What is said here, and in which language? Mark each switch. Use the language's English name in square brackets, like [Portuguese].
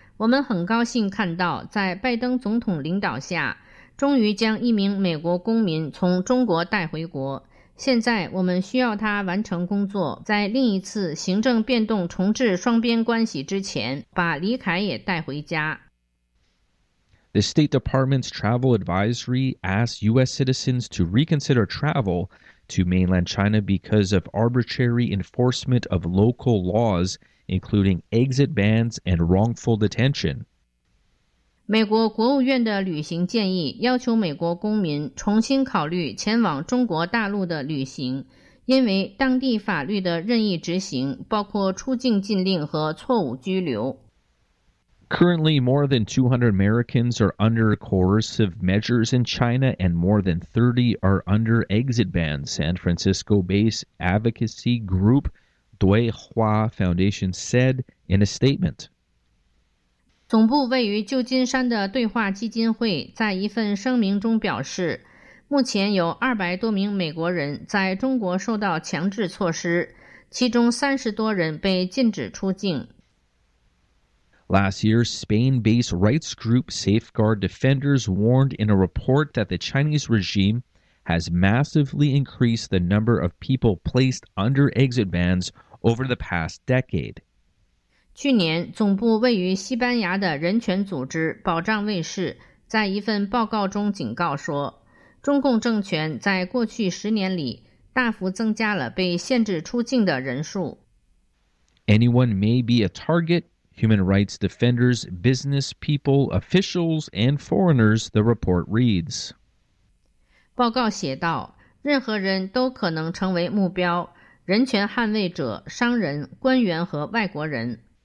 [Chinese] 我们很高兴看到，在拜登总统领导下，终于将一名美国公民从中国带回国。现在我们需要他完成工作，在另一次行政变动重置双边关系之前，把李凯也带回家。 [English] The State Department's travel advisory asks U.S. citizens to reconsider travel to mainland China because of arbitrary enforcement of local laws, including exit bans and wrongful detention. [Chinese] 美国国务院的旅行建议要求美国公民重新考虑前往中国大陆的旅行，因为当地法律的任意执行包括出境禁令和错误拘留。 [English] Currently, more than 200 Americans are under coercive measures in China, and more than 30 are under exit bans. San Francisco-based advocacy group Dui Hua Foundation said in a statement. [Chinese] 总部位于旧金山的对话基金会在一份声明中表示，目前有200多名美国人在中国受到强制措施，其中30多人被禁止出境。 [English] Last year, Spain-based rights group Safeguard Defenders warned in a report that the Chinese regime has massively increased the number of people placed under exit bans over the past decade. [Chinese] 去年，总部位于西班牙的人权组织保障卫士在一份报告中警告说，中共政权在过去十年里大幅增加了被限制出境的人数。 [English] Anyone may be a target, human rights defenders, business people, officials, and foreigners, the report reads. [Chinese] 报告写道，任何人都可能成为目标，人权捍卫者、商人、官员和外国人。